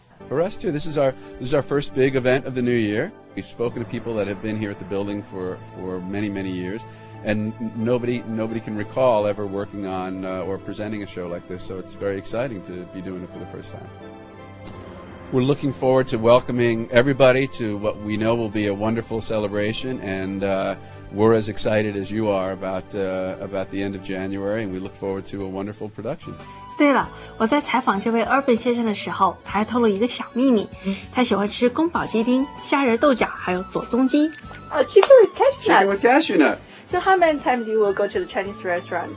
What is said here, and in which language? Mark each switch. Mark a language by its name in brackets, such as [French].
[English] For us too, this is our first big event of the new year. We've spoken to people that have been here at the building for many, many years, and nobody can recall ever working on, or presenting a show like this, so it's very exciting to be doing it for the first time. We're looking forward to welcoming everybody to what we know will be a wonderful celebration, and we're as excited as you are about the end of January, and we look forward to a wonderful production. [Chinese] 对了，我在采访这位 Urban 先生的时候，他还透露一个小秘密，他喜欢吃宫保鸡丁、虾仁豆角，还有左宗基。 [English] Chicken with cashew nut. Chicken with cashew nut. So how many times you will go to the Chinese restaurant?